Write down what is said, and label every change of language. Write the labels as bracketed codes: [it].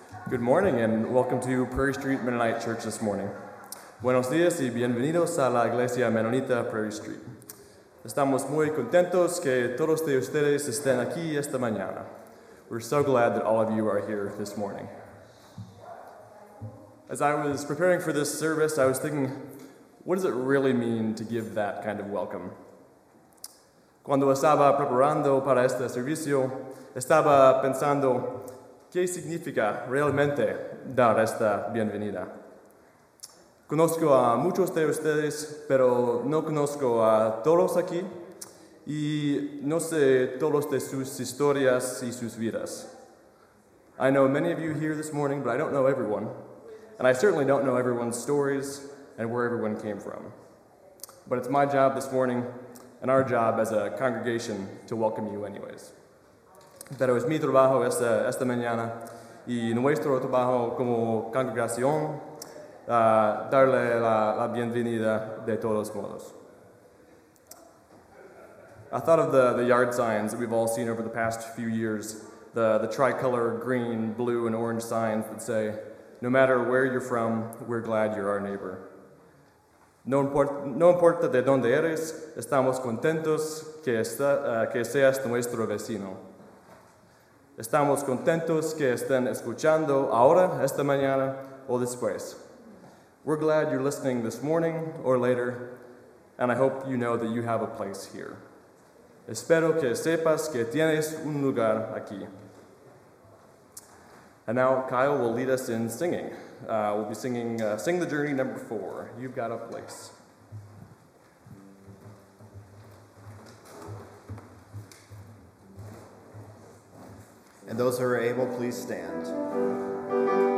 [en] Good morning and welcome to Prairie Street Mennonite Church this morning. [es] Buenos dias y bienvenidos a la Iglesia Mennonita Prairie Street. Estamos muy contentos que todos de ustedes estén aquí esta mañana. [en] We're so glad that all of you are here this morning. As I was preparing for this service, I was thinking, what does it really mean to give that kind of welcome? [es] Cuando estaba preparando para este servicio, estaba pensando, ¿qué significa realmente dar esta bienvenida? Conozco a muchos de ustedes, pero no conozco a todos aquí, y no sé todos de sus historias y sus vidas. [en] I know many of you here this morning, but I don't know everyone, and I certainly don't know everyone's stories and where everyone came from. But it's my job this morning, and our job as a congregation, to welcome you anyways. [es] Pero es mi trabajo esta mañana y nuestro trabajo como congregación darle la bienvenida de todos modos. [en] I thought of the yard signs that we've all seen over the past few years, the tricolor green, blue, and orange signs that say, no matter where you're from, we're glad you're our neighbor. [es] No importa de dónde eres, estamos contentos que seas nuestro vecino. Estamos contentos que estén escuchando ahora, esta mañana, o después. [en] We're glad you're listening this morning or later, and I hope you know that you have a place here. [es] Espero que sepas que tienes un lugar aquí. [en] And now Kyle will lead us in singing. We'll be singing Sing the Journey number 4, You've Got a Place. And those who are able, please stand.